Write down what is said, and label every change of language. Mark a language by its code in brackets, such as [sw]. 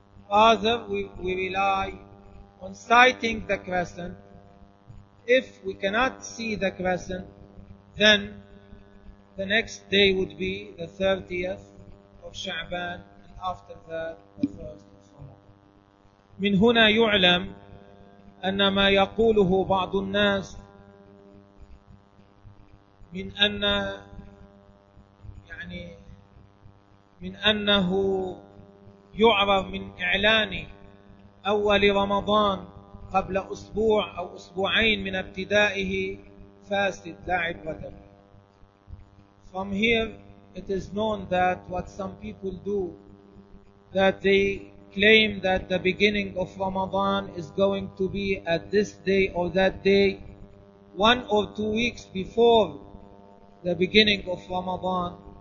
[en] Rather, we rely on sighting the crescent. If we cannot see the crescent, then the next day would be the 30th of Sha'ban, and after that, the 1st of Ramadan. [ar] من هنا يعلم أن ما يقوله بعض الناس من أن يعني من أنه يعرف من إعلان أول رمضان قبل أسبوع أو أسبوعين من ابتدائه فاسد لا عبرة له. [en] From here, it is known that what some people do, that they claim that the beginning of Ramadan is going to be at this day or that day, 1 or 2 weeks before the beginning of Ramadan.